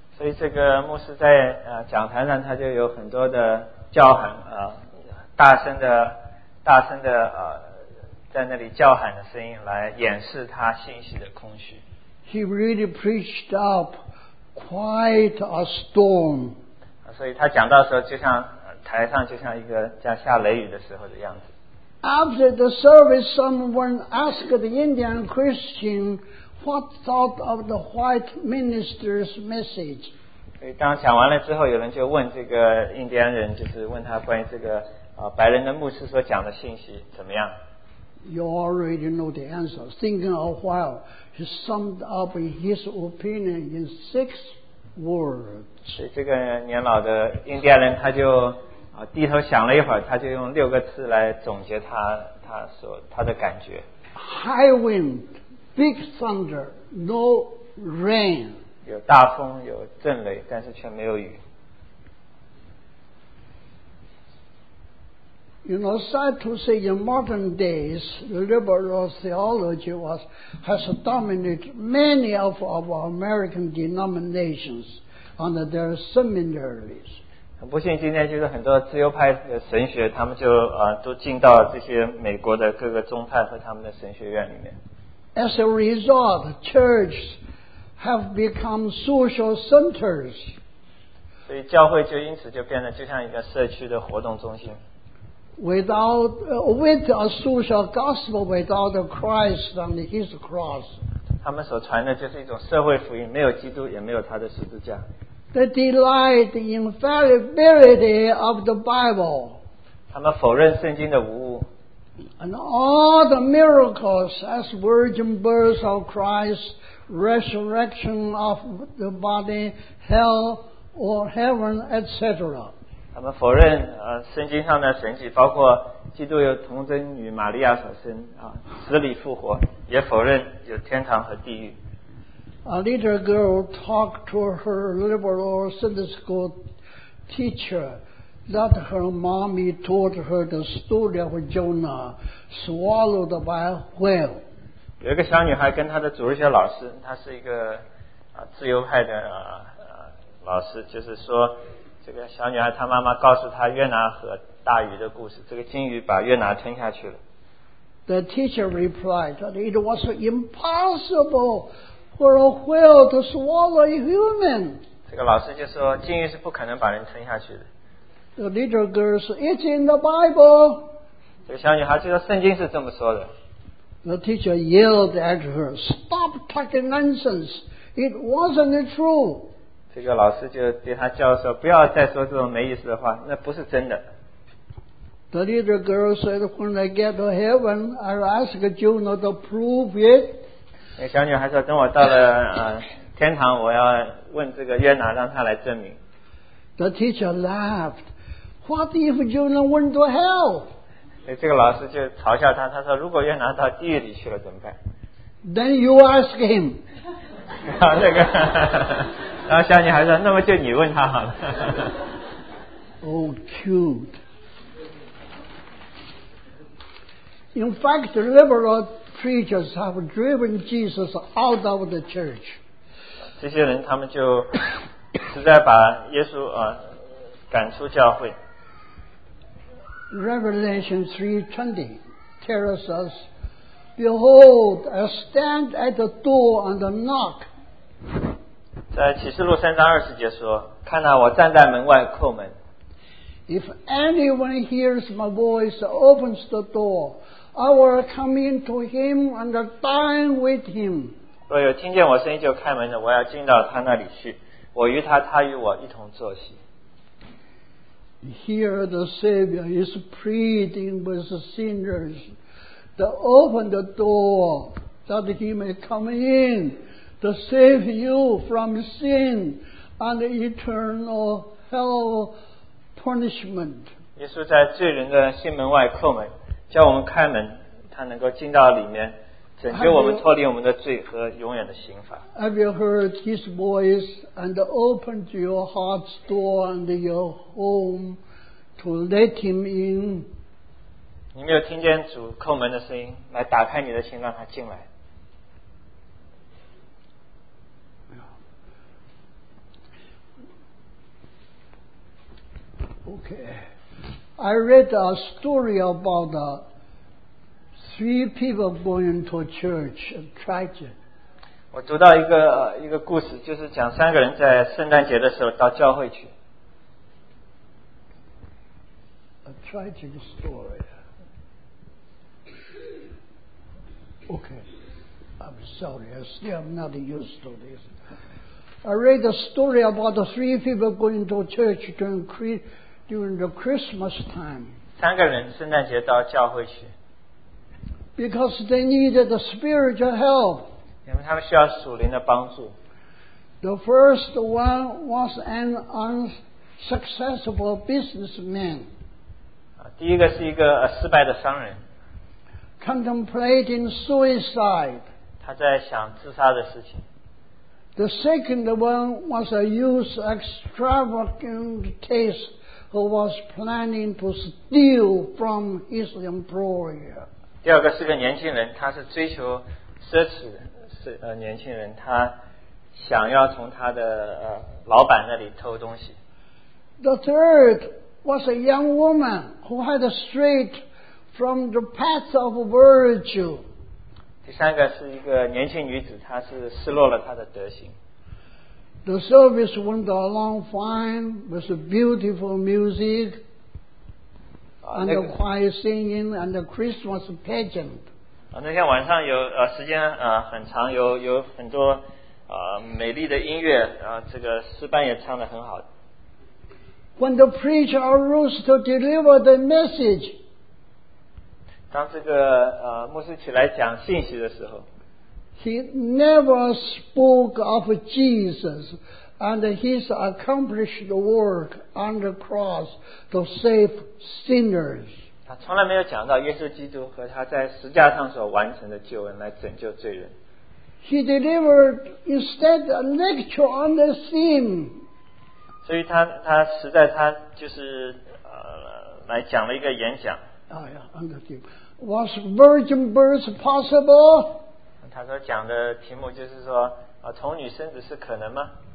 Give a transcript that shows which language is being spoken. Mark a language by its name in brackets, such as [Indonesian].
[Chinese] 所以这个牧师在讲台上他就有很多的叫喊大声的大声的在那里叫喊的声音来掩饰他信息的空虚。 [English] He really preached up quite a storm. [Chinese] 所以他讲到的时候就像台上就像一个像下雷雨的时候的样子。 [English] After the service, someone asked the Indian Christian what thought of the white minister's message. [Chinese] 所以当讲完了之后，有人就问这个印第安人，就是问他关于这个白人的牧师所讲的信息怎么样。 [English] You already know the answer. Thinking a while, he summed up his opinion in 6 words. [Chinese] 这个年老的印第安人他就低头想了一会儿，他就用六个字来总结他的感觉。 [English] High wind, big thunder, no rain. [Chinese] 有大风，有震雷，但是却没有雨。 [English] You know, sad to say, in modern days, liberal theology has dominated many of our American denominations and their seminaries. [Chinese] 很不幸，今天就是很多自由派的神学，他们就都进到这些美国的各个宗派和他们的神学院里面。 [English] As a result, churches have become social centers. [Chinese] 所以教会就因此就变得就像一个社区的活动中心。 [English] With a social gospel without Christ on his cross. [Chinese] 他们所传的就是一种社会福音，没有基督，也没有他的十字架。 [English] The delight the infallibility of the Bible. [Chinese] 他们否认圣经的无误。 [English] And all the miracles as virgin birth of Christ, resurrection of the body, hell or heaven, etc. [Chinese] 他们否认圣经上的神迹，包括基督由童贞女玛利亚所生死里复活，也否认有天堂和地狱。 [English] A little girl talked to her liberal Sunday school teacher that her mommy told her the story of Jonah swallowed by a whale. [Chinese] 有一个小女孩跟她的主日学老师，她是一个自由派的老师，就是说这个小女孩她妈妈告诉她约拿和大鱼的故事，这个金鱼把约拿吞下去了。 [English] The teacher replied that it was impossible for a whale to swallow a human. [Chinese] 这个老师就说金鱼是不可能把人吞下去的。 [English] The little girl said it's in the Bible. [Chinese] 这个小女孩就说圣经是这么说的。 [English] The teacher yelled at her, stop talking nonsense, it wasn't true. [Chinese] 这个老师就对他叫说不要再说这种没意思的话，那不是真的。 [English] The little girl said when I get to heaven I'll ask Jonah to prove it. [Chinese] 那小女孩说等我到了天堂我要问这个约拿让他来证明。 [English] The teacher laughed. What if Jonah went to hell? [Chinese] 这个老师就嘲笑他，他说如果约拿到地狱里去了怎么办？ [English] Then you ask him. [Chinese] 那个然后小女孩说那么就你问他好了。 [English] Oh, cute. In fact, the liberal preachers have driven Jesus out of the church. [Chinese] 这些人他们就实在把耶稣赶出教会。 [English] Revelation 3:20 tells us, Behold, I stand at the door and knock. [Chinese] 在启示录3:20说，看哪，我站在门外叩门。 [English] If anyone hears my voice, opens the door, I will come in to him and dine with him. [Chinese] 若有听见我声音就开门的，我要进到他那里去，我与他，他与我一同坐席。 [English] Here the Savior is pleading with sinners to open the door that he may come in. To save you from sin and eternal hell punishment. [Chinese] 耶稣在罪人的心门外叩门，叫我们开门，他能够进到里面，拯救我们脱离我们的罪和永远的刑罚。 [English] Have you heard his voice and opened your heart's door and your home to let him in? [Chinese] 你没有听见主叩门的声音，来打开你的心，让他进来。 [English] Okay. I read a story about three people going to church, a tragedy. [Chinese] 我读到一个故事，就是讲三个人在圣诞节的时候到教会去。 [English] A tragic story. Okay, I'm sorry. I still am not used to this. I read a story about the three people going to church during the Christmas time. [Chinese] 三个人圣诞节到教会去。 [English] Because they needed the spiritual help. [Chinese] 因为他们需要属灵的帮助。 [English] The first one was an unsuccessful businessman. [Chinese] 第一个是一个失败的商人。 [English] Contemplating suicide. [Chinese] 他在想自杀的事情。 [English] The second one was a youth extravagant taste who was planning to steal from his employer. [Chinese] 第二个是个年轻人，他是追求奢侈的。年轻人他想要从他的老板那里偷东西。 [English] The third was a young woman who had strayed from the path of virtue. [Chinese] 第三个是一个年轻女子，她是失落了她的德行。 [English] The service went along fine with beautiful music and the choir singing and the Christmas pageant. [Chinese] 那天晚上有时间很长，有很多美丽的音乐，这个诗班也唱得很好。 [English] When the preacher arose to deliver the message, [Chinese] 当这个牧师起来讲信息的时候 [English] ，He never spoke of Jesus and his accomplished work on the cross to save sinners. [Chinese] 他从来没有讲到耶稣基督和他在十字架上所完成的救恩来拯救罪人。 [English] He delivered instead a lecture on the theme. [Chinese] 所以他实在他就是来讲了一个演讲。 [English] Oh yeah, on the theme. Was virgin birth possible? [Chinese] 他说讲的题目就是说童女生子是可能吗？